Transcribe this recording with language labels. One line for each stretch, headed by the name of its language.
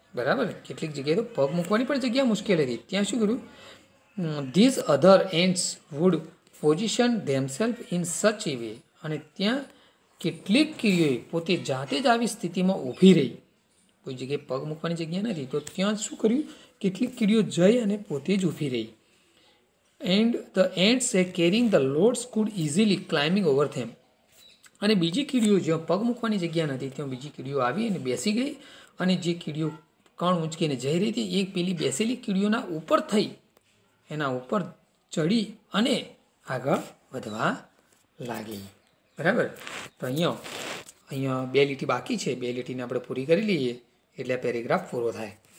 Gujarati: બરાબર, કેટલીક જગ્યાએ તો પગ મૂકવાની પણ જગ્યા મુશ્કેલ હતી. ત્યાં શું કર્યું,
English: these other ends would position themself in such a way,
Gujarati: અને ત્યાં કેટલીક કીડીઓએ પોતે જાતે જ આવી સ્થિતિમાં ઊભી રહી, કોઈ જગ્યાએ પગ મૂકવાની જગ્યા નથી, તો ત્યાં શું કર્યું, કેટલીક કીડીઓ જઈ અને પોતે જ ઊભી રહી.
English: And the ants carrying the loads could easily climbing over them.
Gujarati: અને બીજી કીડીઓ જ્યાં પગ મૂકવાની જગ્યા નથી ત્યાં બીજી કીડીઓ આવી અને બેસી ગઈ, અને જે કીડીઓ કણ ઊંચકીને જઈ રહી હતી એ પેલી બેસેલી કીડીઓના ઉપર થઈ એના ઉપર ચડી અને આગળ વધવા લાગી. બરાબર, તો અહીંયા બે લીટી બાકી છે, બે લીટીને આપણે પૂરી કરી લઈએ એટલે પેરેગ્રાફ પૂરો થાય.